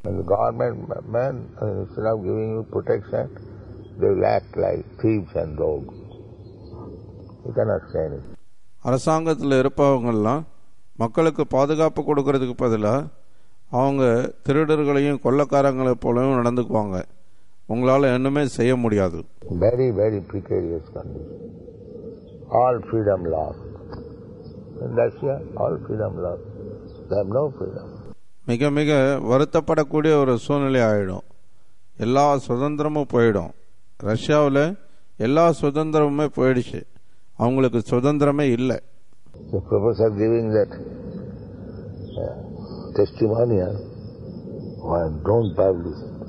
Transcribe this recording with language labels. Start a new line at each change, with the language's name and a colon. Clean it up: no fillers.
English: And the government men, instead of giving you protection, they will act like thieves and rogues. You cannot say anything.
Tamil: அரசாங்கத்தில் இருப்பவங்கெல்லாம் மக்களுக்கு பாதுகாப்பு கொடுக்கறதுக்கு பதிலாக அவங்க திருடர்களையும் கொள்ளக்காரங்களை போலவும் நடந்துக்குவாங்க. உங்களால் என்னமே செய்ய முடியாது.
English: Very, very precarious condition. All freedom lost. In Russia, all freedom lost. They have no freedom.
Tamil: மிக மிக வருத்தப்படக்கூடிய ஒரு சூழ்நிலை ஆயிடும். எல்லா சுதந்திரமும் போயிடும். ரஷ்யாவில் எல்லா சுதந்திரமுமே போயிடுச்சு. அவங்களுக்கு சுதந்திரமே இல்லை.
English: The professor giving that testimony, I don't publish.